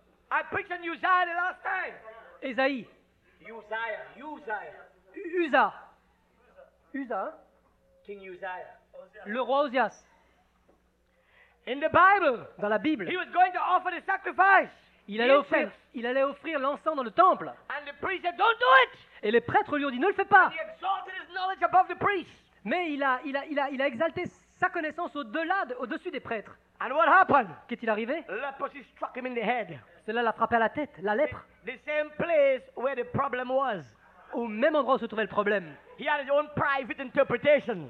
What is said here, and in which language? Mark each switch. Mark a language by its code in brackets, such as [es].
[en] I preached on Uzziah the last time. [fr] Esaïe. [en] Uzziah. Uzza. King Uzziah. [fr] Le roi Ozias. [en] In the Bible. [fr] Dans la Bible. [en] He was going to offer the sacrifice. [fr] Il allait offrir l'encens dans le temple. [en] And the priest said, "Don't do it." [fr] Et les prêtres lui ont dit, ne le fais pas. [en] And he exalted his knowledge above the priest. [fr] Mais il a exalté sa connaissance au-dessus des prêtres. [en] And what happened? [fr] Qu'est-il arrivé? [en] Leprosy struck him in the head. [fr] Cela l'a frappé à la tête, la lèpre. [en] The same place where the problem was. [fr] au même endroit où se trouvait le problème. [en] He had his own private interpretation.